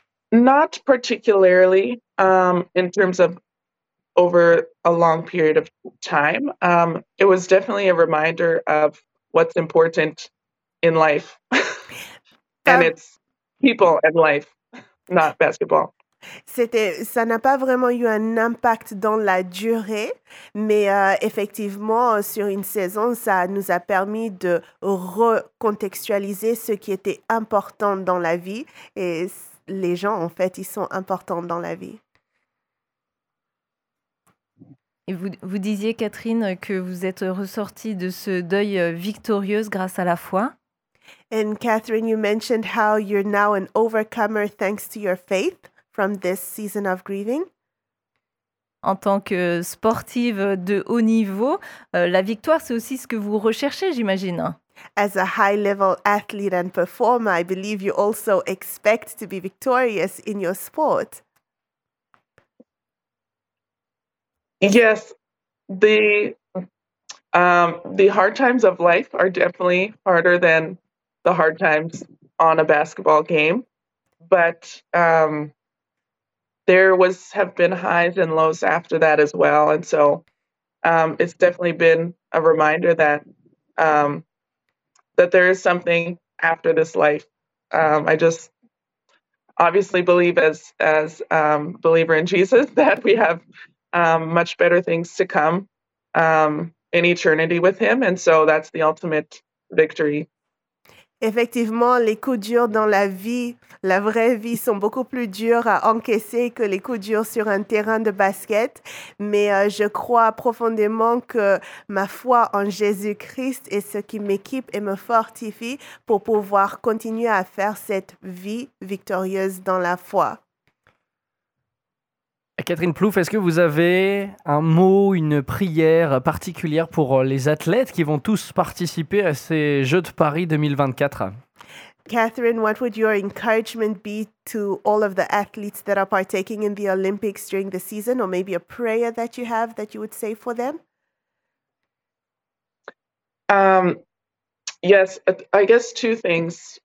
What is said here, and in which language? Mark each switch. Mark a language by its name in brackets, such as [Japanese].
[English] Not particularly in terms of over a long period of time. It was definitely a reminder of what's important in life. And it's people and life, not basketball. [French] Ça n'a pas vraiment eu un impact dans la durée, mais effectivement, sur une saison, ça nous a permis de recontextualiser ce qui était important dans la vie. Et les gens, en fait, ils sont importants dans la vie. Et vous disiez, Catherine, que vous êtes ressortie de ce deuil victorieuse grâce à la foi. [English] And Catherine, you mentioned how you're now an overcomer thanks to your faith. From this season of grieving? [French] En tant que sportive de haut niveau, la victoire, c'est aussi ce que vous recherchez, j'imagine. [English] As a high-level athlete and performer, I believe you also expect to be victorious in your sport. Yes, the hard times of life are definitely harder than the hard times on a basketball game. But There have been highs and lows after that as well. And so it's definitely been a reminder that that there is something after this life. I just obviously believe as believer in Jesus that we have much better things to come in eternity with him. And so that's the ultimate victory. [French] Effectivement, les coups durs dans la vie, la vraie vie, sont beaucoup plus durs à encaisser que les coups durs sur un terrain de basket. Mais je crois profondément que ma foi en Jésus-Christ est ce qui m'équipe et me fortifie pour pouvoir continuer à faire cette vie victorieuse dans la foi. Catherine Plouffe, est-ce que vous avez un mot, une prière particulière pour les athlètes qui vont tous participer à ces Jeux de Paris 2024? [English] Catherine, what would your encouragement be to all of the athletes that are partaking in the Olympics during the season, or maybe a prayer that you have that you would say for them? Yes, I guess two things.